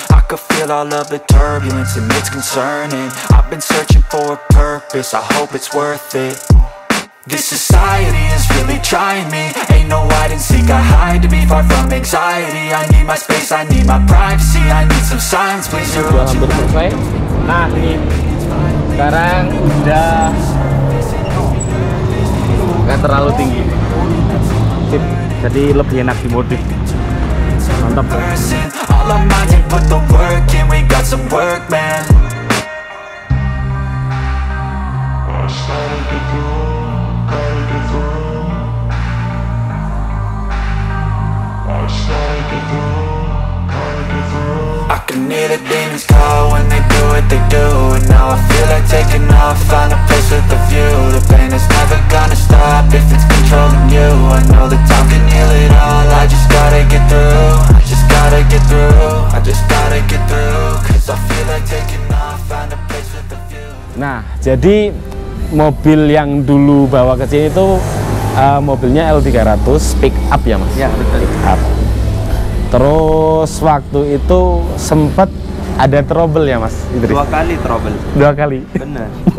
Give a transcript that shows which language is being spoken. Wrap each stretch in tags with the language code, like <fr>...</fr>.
<en>I could feel all of the turbulence and it's concerning. I've been searching for a purpose, I hope it's worth it. This society is really trying me. Ain't no hide and seek, I hide to be far from anxiety. I need my space, I need my privacy. I need some silence, please.</en> <id>Sudah hampir selesai. Nah ini sekarang udah gak terlalu tinggi. Sip, jadi lebih enak dimodif. Mantap.</id> <en>All on my head, put the work in. We got some work, man. Need a demon's call when they do what they do. And now I feel like taking off, find a place with a view. The pain is never gonna stop if it's controlling you. I know the time can heal it all, I just gotta get through. I just gotta get through, I just gotta get through. Cause I feel like taking off, find a place with a view.</en> <id>Nah, jadi mobil yang dulu bawa ke sini itu mobilnya L300, pick up ya Mas? Iya, betul. Pick up. Terus waktu itu sempat ada trouble ya Mas Idris? Dua kali trouble. Dua kali? Benar.</id>